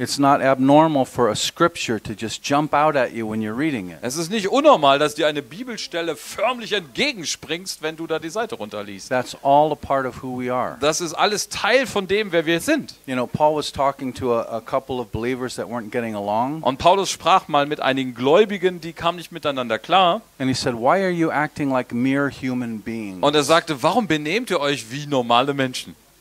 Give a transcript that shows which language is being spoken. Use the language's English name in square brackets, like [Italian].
[English] It's not abnormal for a scripture to just jump out at you when you're reading it. [German] Es ist nicht unnormal, dass dir eine Bibelstelle förmlich entgegenspringst, wenn du da die Seite runterliest. [English] That's all a part of who we are. [German] Das ist alles Teil von dem, wer wir sind. [English] You know, Paul was talking to a couple of believers that weren't getting along. [German] Und Paulus sprach mal mit einigen Gläubigen, die kamen nicht miteinander klar. [English] And he said, "Why are you acting like mere human?" [German] Und er sagte, warum benehmt ihr euch wie normale Menschen?